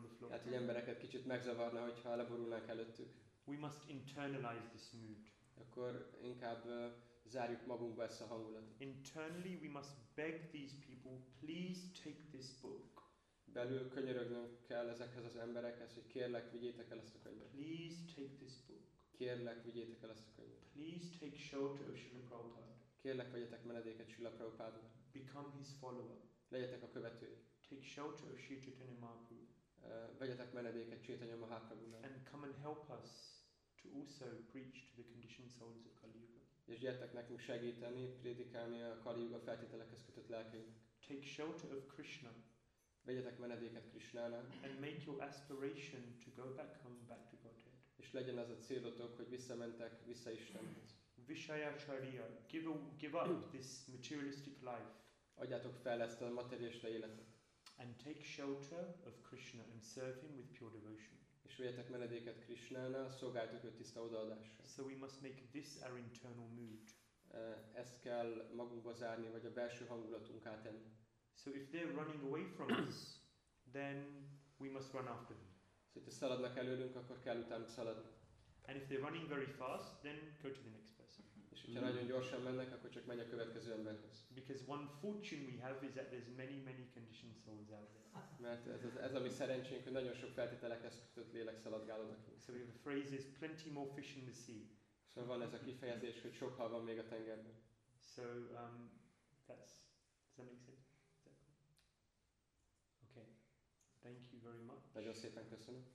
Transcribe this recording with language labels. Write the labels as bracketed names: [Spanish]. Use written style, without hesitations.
[Hungarian] Hát, hogy embereket kicsit megzavarna, hogyha leborulnánk előttük. [English] We must internalize this mood. [Hungarian] Akkor inkább zárjuk magunkba ezt a hangulatot. [English] Internally we must beg these people, please take this book. [Hungarian] Belül könyörögnünk kell ezekhez az emberekhez, hogy kérlek, vigyétek el ezt a könyvet. [English] Please take this book. [Hungarian] Kérlek, vigyétek el ezt a könyvet. [English] Please take shelter of Srila Prabhupada. [Hungarian] Kérlek, vegyetek menedéket Srila Prabhupádnak. [English] Become his follower. [Hungarian] Legyetek a követői. [English] Take shelter of Sri Chaitanya Mahaprabhu. [Hungarian] Vegyetek menedéket Chaitanya Mahaprabhunak. [English] And come and help us to also preach to the conditioned souls of Kali Yuga. [Hungarian] És gyertek nekünk segíteni, prédikálni a Kali Yuga feltételekhez kötött lelkeinek. [English] Take shelter of Krishna. [Hungarian] Vegyetek menedéket Krishnának. [English] And make your aspiration to go back home, back to Godhead. [Hungarian] És legyen az a célotok, hogy visszamentek vissza Istenhez. [English] Vishayacharya, give up this materialistic life. [Hungarian] Adjátok fel ezt a materialista életet. [English] And take shelter of Krishna and serve him with pure devotion. [Hungarian] És vegyetek menedéket Krishnának, szolgáljátok őt tiszta odaadással. [English] So we must make this our internal mood. [Hungarian] Ezt kell magunkba zárni, vagy a belső hangulatunkká tenni. [English] So if they're running away from us, then we must run after them. [Hungarian] So ha szaladnak előlünk, akkor kell utánuk szaladni. [English] And if they're running very fast, then go to the next person. [Hungarian] És ha Hogyha nagyon gyorsan mennek, akkor csak menj a következő emberhez. [English] Because one fortune we have is that there's many, many conditioned souls out there. [Hungarian] Mert ez a mi szerencsénk, hogy nagyon sok feltételekhez kötött lélek szaladgál oda. [English] So the phrase is plenty more fish in the sea. [Hungarian] Szóval van ez a kifejezés, hogy sok hal van még a tengerben. [English] So that's, does that make sense? Thank you very much. [Hungarian] Nagyon szépen köszönöm.